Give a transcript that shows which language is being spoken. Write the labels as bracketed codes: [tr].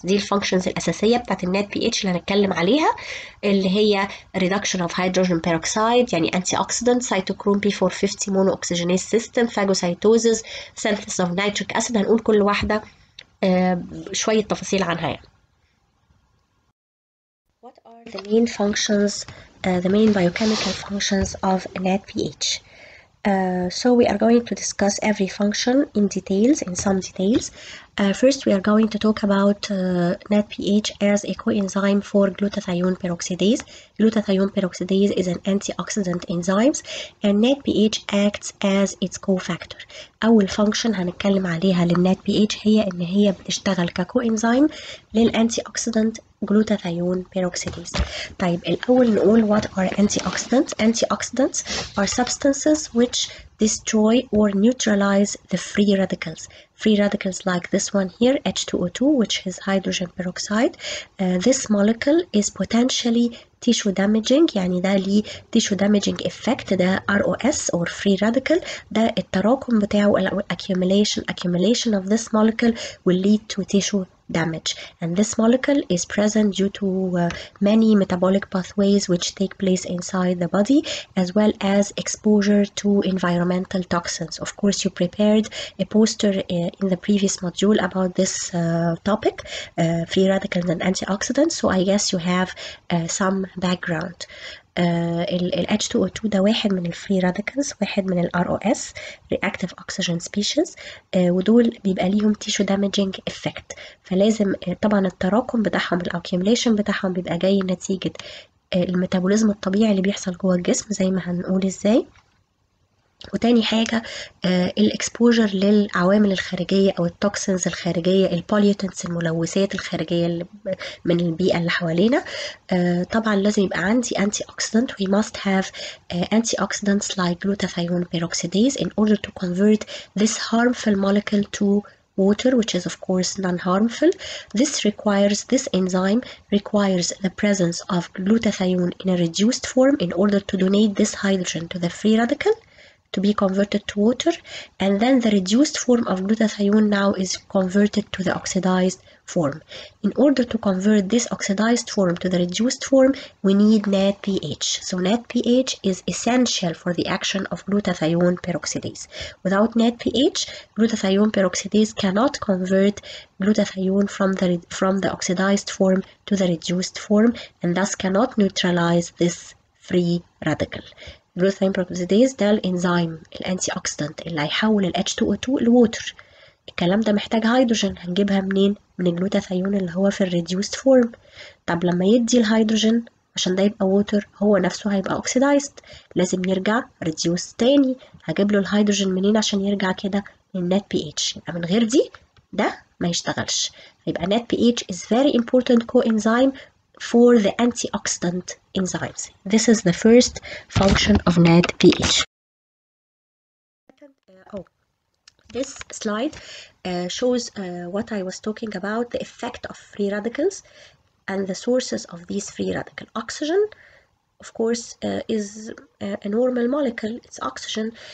[ar] دي الفانكشنز الاساسيه بتاعت النت بي اتش اللي هنتكلم عليها، اللي هي ريدكشن اوف هيدروجين بيروكسيد، يعني انتي اوكسيدنت، سيتوكروم بي 450 مونو اوكسجينيز سيستم، فاجوسايتوزس، سينثيسيس اوف نيتريك اسيد. هنقول كل واحده شوية تفاصيل عنها يعني. [en] What are the main functions, the main biochemical functions of an NADPH? So we are going to discuss every function in details, in some details. First, we are going to talk about NADPH as a coenzyme for glutathione peroxidase. Glutathione peroxidase is an antioxidant enzyme, and NADPH acts as its cofactor. [ar] أول function هنتكلم عليها للNADPH هي إن هي بتشتغل ككoenzyme للأنتيoxidant glutathione peroxidase. طيب الأول نقول [en] what are antioxidants. Antioxidants are substances which destroy or neutralize the free radicals. Free radicals like this one here, H2O2, which is hydrogen peroxide. This molecule is potentially tissue damaging, [ar] يعني ده لي [en] tissue damaging effect, ده ROS or free radical, [ar] ده التراكم بتاعه, [en] accumulation of this molecule will lead to tissue damage. And this molecule is present due to many metabolic pathways which take place inside the body, as well as exposure to environmental toxins. Of course, you prepared a poster in the previous module about this topic, free radicals and antioxidants, so I guess you have some background. [ar] ال H2O2 ده واحد من الفري راديكالز, واحد من ال ROS reactive oxygen species, ودول بيبقى ليهم [en] tissue damaging effect, [ar] فلازم طبعا التراكم بتاعهم ال accumulation بتاعهم بيبقى جاي نتيجة الميتابوليزم الطبيعي اللي بيحصل جوه الجسم زي ما هنقول ازاي. وتاني حاجة الاكسبوجر للعوامل الخارجية او التوكسنز الخارجية, البوليوتنس الملوثات الخارجية اللي من البيئة اللي حوالينا. طبعا لازم يبقى عندي انتي اوكسيدنت, [en] we must have antioxidants like glutathione peroxidase in order to convert this harmful molecule to water, which is of course non-harmful. This enzyme requires the presence of glutathione in a reduced form in order to donate this hydrogen to the free radical to be converted to water, and then the reduced form of glutathione now is converted to the oxidized form. In order to convert this oxidized form to the reduced form, we need NADPH. So NADPH is essential for the action of glutathione peroxidase. Without NADPH, glutathione peroxidase cannot convert glutathione from the oxidized form to the reduced form, and thus cannot neutralize this free radical. [ar] Glutathione peroxidase ده الانزيم الانتي اوكسيدنت اللي هيحول ال H2O2 لووتر. الكلام ده محتاج هيدروجين, هنجيبها منين؟ من الجلوتاثيون اللي هو في الريديوست فورم. طب لما يدي الهيدروجين عشان ده يبقى ووتر, هو نفسه هيبقى اوكسيدايزد, لازم يرجع ريديوس تاني. هجيب له الهيدروجين منين عشان يرجع كده من النت بي اتش؟ يبقى من غير دي ده ما يشتغلش. [en] يبقى NADPH is very important coenzyme for the antioxidant enzymes. This is the first function of NADPH. This slide shows what I was talking about, the effect of free radicals and the sources of these free radical. Oxygen, of course, is a normal molecule. It's oxygen.